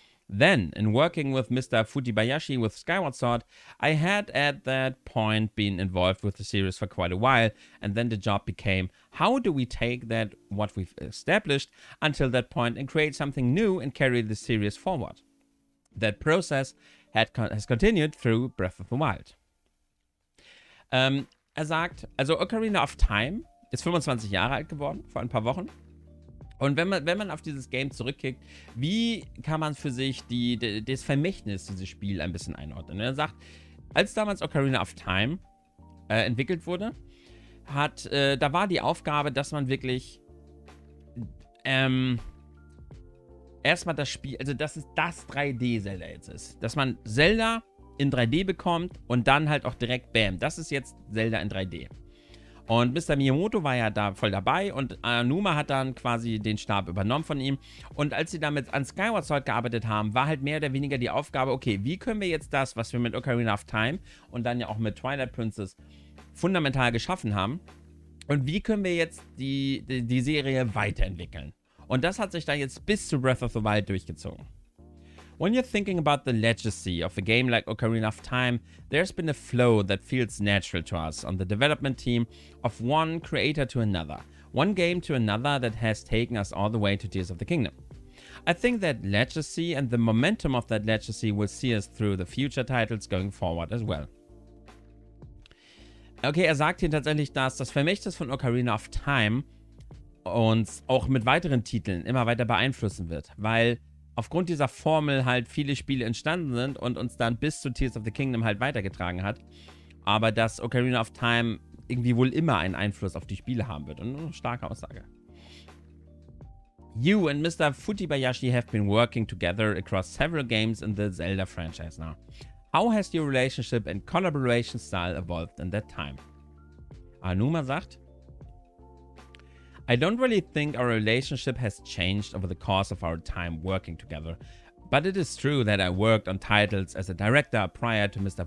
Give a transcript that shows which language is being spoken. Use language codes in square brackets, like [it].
[en] Then, in working with Mr. Fujibayashi with Skyward Sword, I had at that point been involved with the series for quite a while, and then the job became, how do we take that, what we've established, until that point and create something new and carry the series forward? That process has continued through Breath of the Wild. [de] Er sagt, also Ocarina of Time ist 25 Jahre alt geworden, vor ein paar Wochen. Und wenn man auf dieses Game zurückkickt, wie kann man für sich das Vermächtnis dieses Spiels ein bisschen einordnen? Und er sagt, als damals Ocarina of Time entwickelt wurde, da war die Aufgabe, dass man wirklich erstmal das Spiel, also dass es das 3D-Zelda jetzt ist. Dass man Zelda in 3D bekommt und dann halt auch direkt, bam, das ist jetzt Zelda in 3D. Und Mr. Miyamoto war ja da voll dabei und Aonuma hat dann quasi den Stab übernommen von ihm. Und als sie damit an Skyward Sword gearbeitet haben, war halt mehr oder weniger die Aufgabe, okay, wie können wir jetzt das, was wir mit Ocarina of Time und dann ja auch mit Twilight Princess fundamental geschaffen haben, und wie können wir jetzt die Serie weiterentwickeln? Und das hat sich dann jetzt bis zu Breath of the Wild durchgezogen. [en] When you're thinking about the legacy of a game like Ocarina of Time, there's been a flow that feels natural to us on the development team of one creator to another, one game to another that has taken us all the way to Tears of the Kingdom. I think that legacy and the momentum of that legacy will see us through the future titles going forward as well. [de] Okay, sagt hier tatsächlich, dass das Vermächtnis von Ocarina of Time uns auch mit weiteren Titeln immer weiter beeinflussen wird, weil aufgrund dieser Formel halt viele Spiele entstanden sind und uns dann bis zu Tears of the Kingdom halt weitergetragen hat, aber dass Ocarina of Time irgendwie wohl immer einen Einfluss auf die Spiele haben wird. Und eine starke Aussage. [en] You and Mr. Fujibayashi have been working together across several games in the Zelda franchise now. How has your relationship and collaboration style evolved in that time? [de] Aonuma sagt, [en] I don't really think our relationship has changed over the course of our time working together, but it is true that I worked on titles as a director prior to Mr.